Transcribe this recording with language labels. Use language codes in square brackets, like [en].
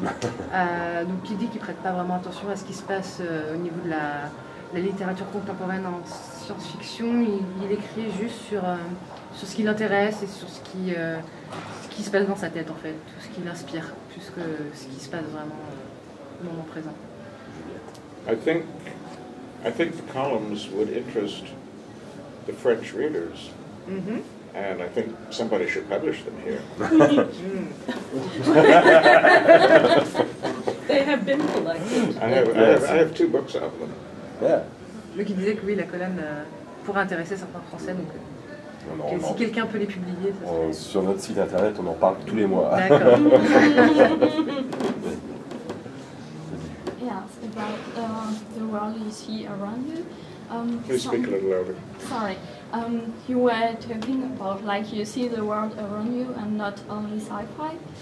[fr] Donc il dit qu'il ne prête pas vraiment attention à ce qui se passe au niveau de la littérature contemporaine en science-fiction. Il écrit juste sur ce qui l'intéresse et sur ce qui se passe dans sa tête, en fait, tout ce qui l'inspire, plus que ce qui se passe vraiment au moment présent. [en] I think the columns would interest the French readers, and I think somebody should publish them here. They have been collected. I have two books out of them. Yeah. [fr] Donc il disait que oui, la colonne pourrait intéresser certains Français. Donc, si quelqu'un peut les publier, ça serait... Sur notre site internet, on en parle tous les mois. D'accord. [en] Yes, about the world you see around you. Please speak a little louder. Sorry. You were talking about, like, you see the world around you and not only sci-fi.